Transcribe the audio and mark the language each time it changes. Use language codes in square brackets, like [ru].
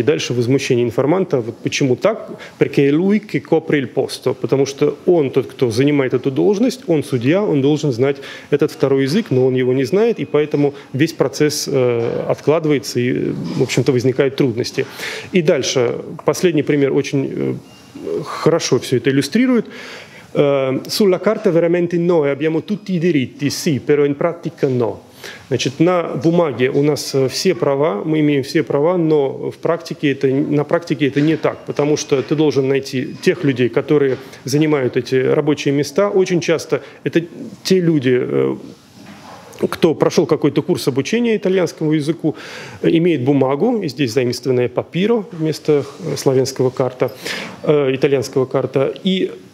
[ru] И дальше возмущение информанта: вот почему так? [it] «Perché lui che copre il posto», [ru] потому что он тот, кто занимает эту должность, он судья, он должен знать этот второй язык, но он его не знает, и поэтому весь процесс откладывается, и, в общем-то, возникают трудности. И дальше, последний пример очень хорошо все это иллюстрирует. [it] «Sulla carta veramente noi abbiamo tutti i diritti, sì, però in pratica no». [ru] Значит, на бумаге у нас все права, мы имеем все права, но на практике это не так, потому что ты должен найти тех людей, которые занимают эти рабочие места. Очень часто это те люди, кто прошел какой-то курс обучения итальянскому языку, имеет бумагу, и здесь заимствованное папиро вместо словенского карта, итальянского карта, и...